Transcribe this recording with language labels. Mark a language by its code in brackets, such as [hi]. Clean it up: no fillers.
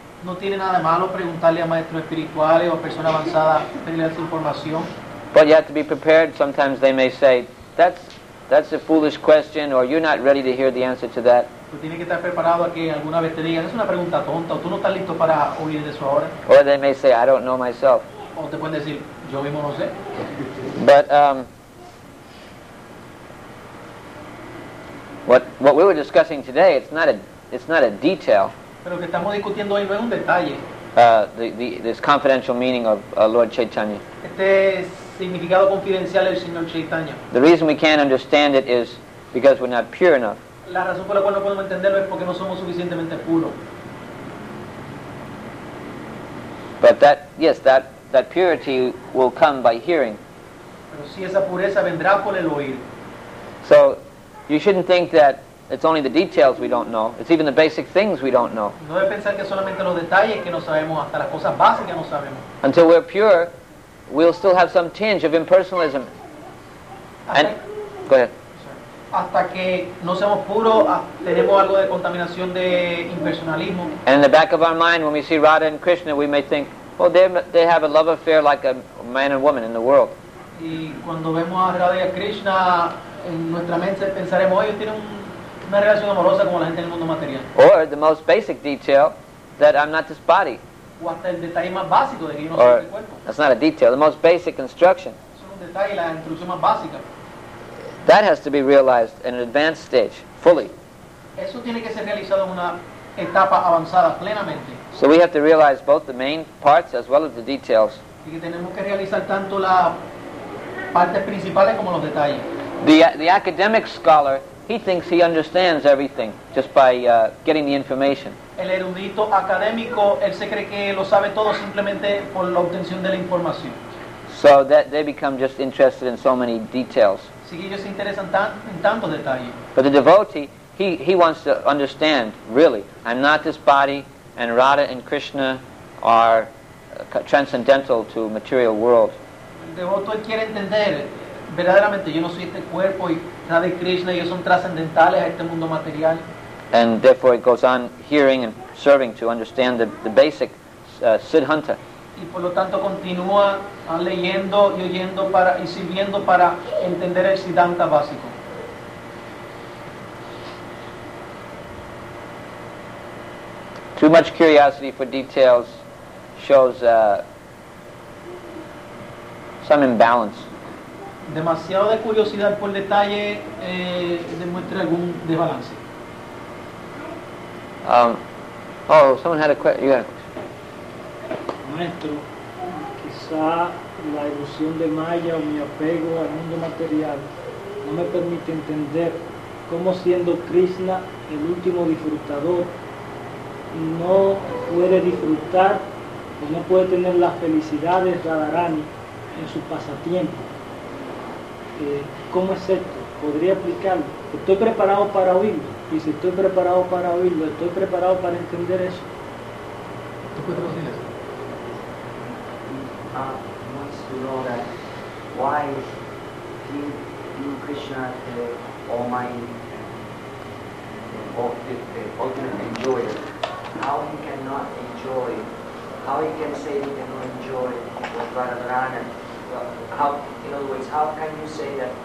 [es] No tiene nada malo preguntarle a maestros espirituales o persona avanzada pedirle su información. [en] But you have to be prepared. Sometimes they may say, that's a foolish question, or you're not ready to hear the answer to that. [es] Tú tienes que estar preparado a que alguna vez te digan, es una pregunta tonta, o tú no estás listo para oír de eso ahora. [en] Or they may say, I don't know myself. [es] O te pueden decir, yo mismo no sé. [en] But what we were discussing today, it's not a detail. [es] Pero lo que estamos discutiendo hoy no es un detalle. [en] This confidential meaning of Lord Chaitanya. [es] Este significado confidencial del Señor Chaitanya. [en] The reason we can't understand it is because we're not pure enough. [es] La razón por la cual no podemos entenderlo es porque no somos suficientemente puros. [en] But that purity will come by hearing. [es] Pero si esa pureza vendrá por el oír. [en] So, you shouldn't think that it's only the details we don't know. It's even the basic things we don't know. [es] No debe pensar que solamente los detalles que no sabemos, hasta las cosas básicas que no sabemos. [en] Until we're pure, we'll still have some tinge of impersonalism. Go ahead. [es] Hasta que no seamos puros, tenemos algo de contaminación de impersonalismo. [en] And in the back of our mind, when we see Radha and Krishna, we may think, well, they have a love affair like a man and woman in the world. [es] Y cuando vemos a Radha y a Krishna, en nuestra mente pensaremos, ellos tienen una relación amorosa como la gente en el mundo material. [en] Or the most basic detail, that I'm not this body. [es] O hasta el detalle más básico de que yo no soy el cuerpo. [en] That's not a detail, the most basic instruction. [es] Es un detalle, la instrucción más básica. [en] That has to be realized in an advanced stage, fully. [es] Eso tiene que ser realizado en una etapa avanzada, plenamente. [en] So we have to realize both the main parts as well as the details. [es] Y que tenemos que realizar tanto las partes principales como los detalles. [en] The academic scholar, he thinks he understands everything just by getting the information. [es] el erudito académico, él se cree que lo sabe todo simplemente por la obtención de la información. [en] So that they become just interested in so many details. [es] Así que ellos se interesan en tantos detalles. [en] But the devotee, he wants to understand, really, I'm not this body, and Radha and Krishna are transcendental to material world. [es] El devoto quiere entender, verdaderamente, yo no soy este cuerpo, y Radha y Krishna, ellos son trascendentales a este mundo material. [en] And therefore it goes on hearing and serving to understand the basic Siddhanta. [es] Y por lo tanto continúa leyendo y oyendo para y sirviendo para entender el Siddhanta básico. [en] Too much curiosity for details shows some imbalance. [es] Demasiado de curiosidad por detalle demuestra algún desbalance. [en] Someone had a question. You had a question. [es] Maestro, quizá la ilusión de Maya o mi apego al mundo material no me permite entender cómo siendo Krishna el último disfrutador no puede disfrutar o no puede tener la felicidad de Radharani en su pasatiempo. ¿Cómo es esto? ¿Podría explicarlo? Estoy preparado para oírlo. Y si estoy preparado para oírlo, estoy preparado para entender eso. ¿Tú puedes decir eso? [en] Wants to know that why being Krishna the almighty the ultimate enjoyer, how he cannot enjoy, how he can say he cannot enjoy Radharani, how, in other words, how can you say that